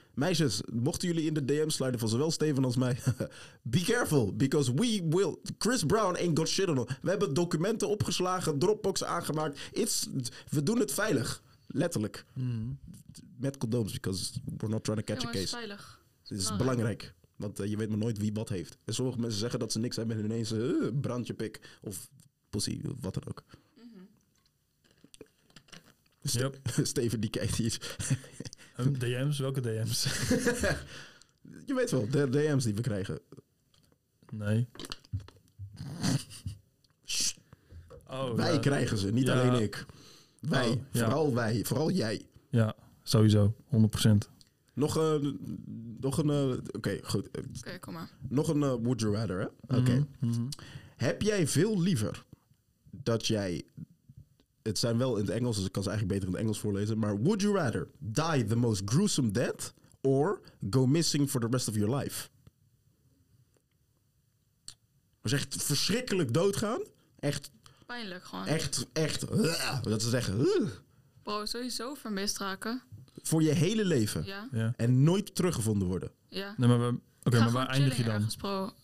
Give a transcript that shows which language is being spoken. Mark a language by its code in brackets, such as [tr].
[nl] Meisjes, mochten jullie in de DM sliden van zowel Steven als mij... [en] be careful, because we will... Chris Brown ain't got shit on. [nl] We hebben documenten opgeslagen, Dropbox aangemaakt. We doen het veilig. Letterlijk. Mm. Met condooms, [en] because we're not trying to catch a case. [nl] Veilig. Het is belangrijk. Want je weet maar nooit wie wat heeft. En sommige mensen zeggen dat ze niks hebben en ineens... brandje pik of pussy, wat dan ook. Mm-hmm. Yep. Steven die kijkt hier... DM's? Welke DM's? Je weet wel, de DM's die we krijgen. Nee. Oh, wij krijgen ze, niet alleen ik. Wij, wij, vooral jij. Ja, sowieso, 100%. Nog een... Oké, goed. Oké, kom maar. Nog een [en] would you rather, [nl] hè? Oké. Mm-hmm. Heb jij veel liever dat jij... Het zijn wel in het Engels, dus ik kan ze eigenlijk beter in het Engels voorlezen. [en] Maar would you rather die the most gruesome death or go missing for the rest of your life? [nl] Dat is echt verschrikkelijk doodgaan. Echt. Pijnlijk gewoon. Echt. Dat ze zeggen. Bro, sowieso vermist raken. Voor je hele leven. Ja. En nooit teruggevonden worden. Ja. Nee, maar waar eindig je dan? Ergens, bro.